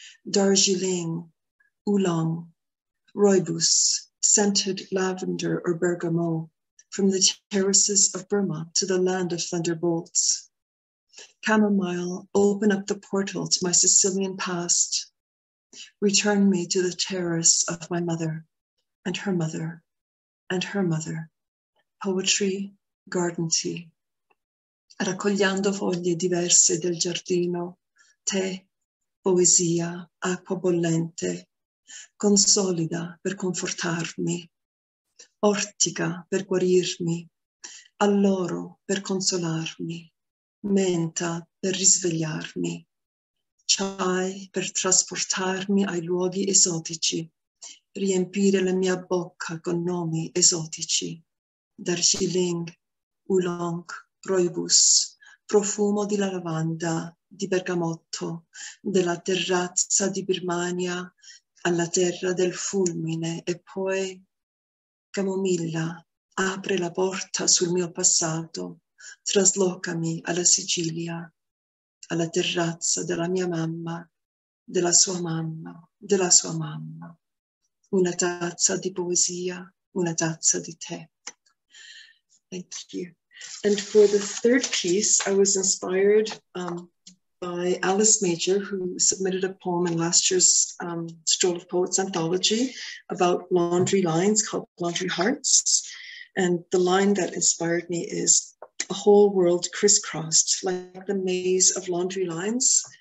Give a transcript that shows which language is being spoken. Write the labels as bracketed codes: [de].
[en] Darjeeling, oolong, rooibos, scented lavender or bergamot, from the terraces of Burma to the land of thunderbolts. Chamomile, open up the portal to my Sicilian past. Return me to the terrace of my mother and her mother and her mother. Poetry, garden tea. [it] Raccogliendo foglie diverse del giardino, tè, poesia, acqua bollente, consolida per confortarmi, ortica per guarirmi, alloro per consolarmi, menta per risvegliarmi, chai per trasportarmi ai luoghi esotici, riempire la mia bocca con nomi esotici, Darjeeling, oolong, rooibos, profumo di lavanda, di bergamotto, della terrazza di Birmania, alla terra del fulmine e poi camomilla, apre la porta sul mio passato, traslocami alla Sicilia, alla terrazza della mia mamma, della sua mamma, della sua mamma. Una tazza di poesia, una tazza di tè. [en] Thank you. And for the third piece, I was inspired by Alice Major, who submitted a poem in last year's Stroll of Poets anthology about laundry lines called Laundry Hearts. And the line that inspired me is, a whole world crisscrossed like the maze of laundry lines.